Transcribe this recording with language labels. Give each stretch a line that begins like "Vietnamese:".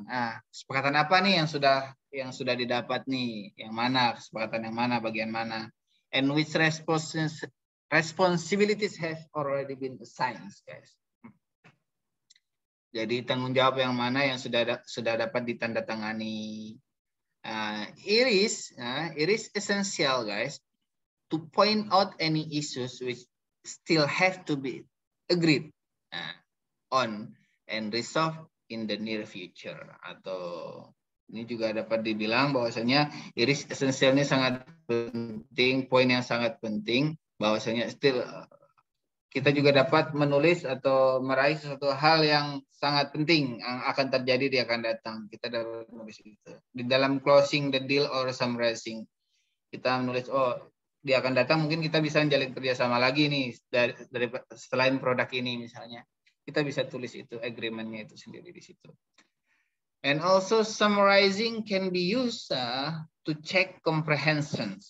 Indonesian: Ah, kesepakatan apa nih yang sudah didapat nih? Yang mana kesepakatan yang mana bagian mana?
English: And which responsibilities have already been assigned, guys?
Indonesian: Jadi tanggung jawab yang mana yang sudah dapat ditandatangani?
English: It is essential, guys, to point out any issues which still have to be agreed on and resolved in the near future.
Indonesian: Atau ini juga dapat dibilang bahwasanya
English: it is
Indonesian: essentialnya sangat penting, poin yang sangat penting bahwasanya still kita juga dapat menulis atau meraih sesuatu hal yang sangat penting yang akan terjadi di akan datang. Kita dapat menulis itu. Di dalam
English: closing the deal or summarizing,
Indonesian: kita menulis, oh, di akan datang mungkin kita bisa menjalin kerjasama lagi nih, dari selain produk ini misalnya. Kita bisa tulis itu, agreement-nya itu sendiri di situ.
English: And also summarizing can be used to check comprehension.